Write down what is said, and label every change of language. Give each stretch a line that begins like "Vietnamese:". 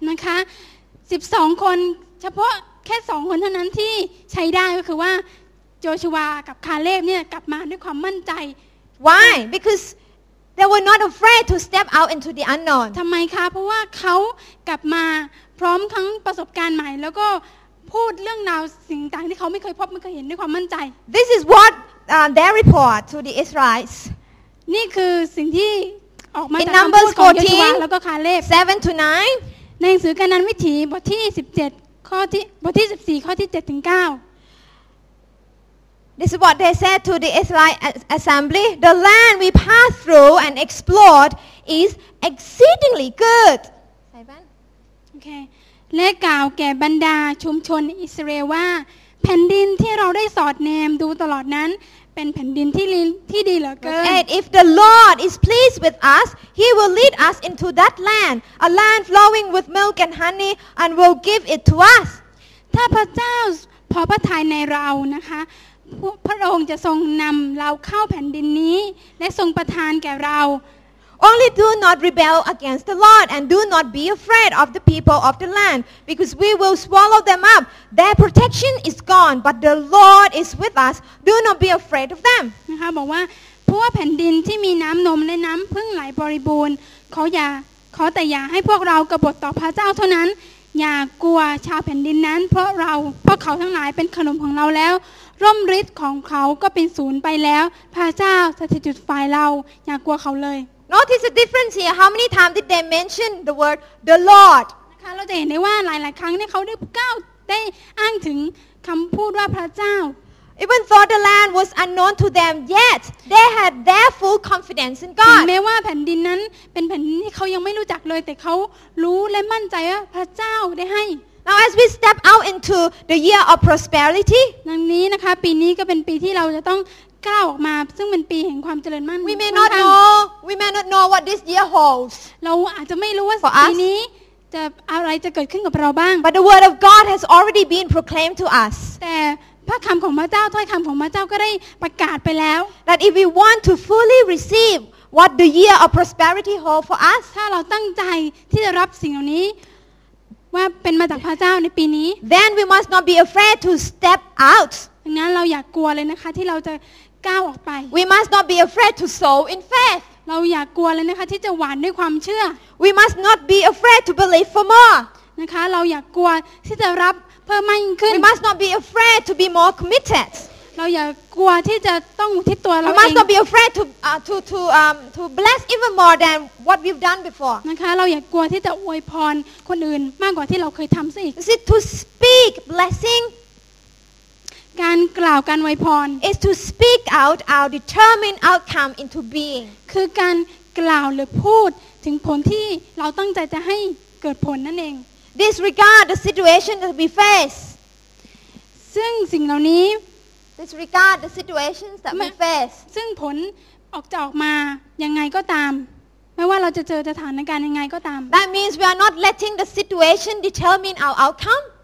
Thai: นะคะ12คนเฉพาะแค่2คนเท่านั้นที่ใช้ได้ก็คือว่าโจชัวกับคาเลบเนี่ยกลับมาด้วยความมั่นใจ
English: why becauseThey were not afraid to step out into the unknown.
Thai: ทำไมคะเพราะว่าเขากลับมาพร้อมทั้งประสบการณ์ใหม่แล้วก็พูดเรื่องราวสิ่งต่างที่เขาไม่เคยพบไม่เคยเห็นด้วยความมั่นใจ
English: This is what their report to the Israelites.
Thai: นี่คือสิ่งที่ออกมา จากการพูดของโยชูว าแล้วก็คาเลบ 7-9 ในหนังสือกาลวิถีบทที่17ข้อที่บทที่14ข้อที่7ถึง9
English: This is what they said to the Israelite assembly. The land we passed through and explored is exceedingly good. Okay.
Thai: และกล่าวแก่บรรดาชุมชนอิสราเอลว่าแผ่นดินที่เราได้สอดแนมดูตลอดนั้นเป็นแผ่นดินที่ดีเหลือเกิน
English: And if the Lord is pleased with us, He will lead us into that land, a land flowing with milk and honey, and will give it to us.
Thai: ถ้าพระเจ้าพอพระทัยในเรานะคะพระองค์จะทรงนำเราเข้าแผ่นดินนี้และทรงประทานแก่เรา
English: Only do not rebel against the Lord and do not be afraid of the people of the land because we will swallow them up their protection is gone but the Lord is with us do not be afraid of them
Thai: นะคะบอกว่าพวกแผ่นดินที่มีน้ำนมและน้ำพึ่งไหลบริบูรณ์ขอแต่อย่าให้พวกเรากบฏต่อพระเจ้าเท่านั้นอย่ากลัวชาวแผ่นดินนั้นเพราะเราพวกเขาทั้งหลายเป็นขนมของเราแล้วร่มฤทธิ์ของเขาก็เป็นศูนย์ไปแล้วพระเจ้าสถิตจุดฝ่ายเราอย่ากลัวเขาเลย
English: Notice the difference here how many times did they mention the word the Lord
Thai: นะคะเราจะเห็นได้ว่าหลายๆครั้งเนี่ยเขาได้กล่าวได้อ้างถึงคำพูดว่าพระเจ้า
English: Even though the land was unknown to them, yet they had their full confidence in God.
Thai: แม้ว่าแผ่นดินนั้นเป็นแผ่นดินที่เขายังไม่รู้จักเลยแต่เขารู้และมั่นใจว่าพระเจ้าได้ให้
English: Now as we step out into the year of prosperity,
Thai: ดังนี้นะคะปีนี้ก็เป็นปีที่เราจะต้องก้าวออกมาซึ่งเป็นปีแห่งความเจริญมั่น
English: We may not know what this year holds.
Thai: เราอาจจะไม่รู้ว่าปีนี้จะอะไรจะเกิดขึ้นกับเราบ้าง
English: But the word of God has already been proclaimed to us.
Thai: แต่พระคำของพระเจ้าถ้อยคำของพระเจ้าก็ได้ประกาศไปแล้ว
English: That if we want to fully receive what the year of prosperity hold for us
Thai: ถ้าเราตั้งใจที่จะรับสิ่งเหล่านี้ว่าเป็นมาจากพระเจ้าในปีนี้
English: Then we must not be afraid to step out
Thai: ดังนั้นเราอย่ากลัวเลยนะคะที่เราจะก้าวออกไป
English: We must not be afraid to sow in faith
Thai: เราอย่ากลัวเลยนะคะที่จะหวานด้วยความเชื่อ
English: We must not be afraid to believe for more
Thai: นะคะเราอย่ากลัวที่จะรับเพิ่มมากยิ่งขึ้น
English: We must not be afraid to be more committed
Thai: เราอย่ากลัวที่จะต้องอุทิศตัวเราเอง
English: We must not be afraid to bless even more than what we've done before
Thai: นะคะเราอย่ากลัวที่จะอวยพรคนอื่นมากกว่าที่เราเคยทำซะอีก
English: Is it to speak blessing
Thai: การกล่าวการอวยพร
English: is to speak out our determined outcome into being
Thai: คือการกล่าวหรือพูดถึงผลที่เราตั้งใจจะให้เกิดผลนั่นเอง
English: disregard the situation that we face
Thai: ซึ่งสิ่งเหล่านี้
English: disregard the situations that we face
Thai: ซึ่งผลออกจะออกมายังไงก็ตามไม่ว่าเราจะเจอสถานการณ์ยังไงก็ตาม
English: that means we are not letting the situation determine our outcome